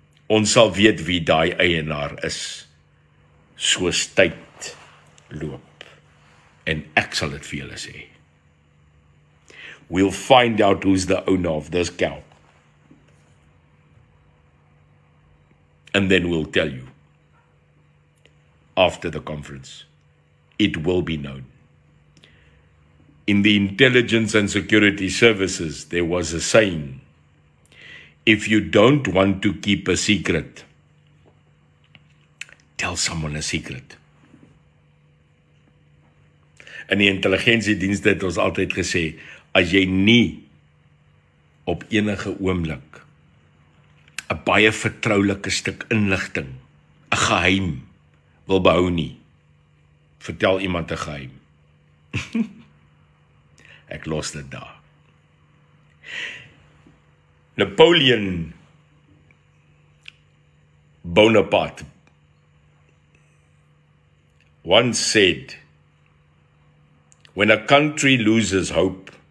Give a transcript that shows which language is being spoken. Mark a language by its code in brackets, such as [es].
[af] Ons sal weet wie daai eienaar is, soos tyd loop. En ek sal dit vir julle sê. [en] We'll find out who's the owner of this cow. And then we'll tell you. After the conference, it will be known. In the intelligence and security services, there was a saying, if you don't want to keep a secret, tell someone a secret. [af] In die intelligensiedienste het ons altyd gesê, as jy nie op enige oomblik 'n baie vertroulike stuk inligting, 'n geheim wil behou nie, vertel iemand 'n geheim. Ek los dit daar. [en] Napoleon Bonaparte once said, when a country loses hope,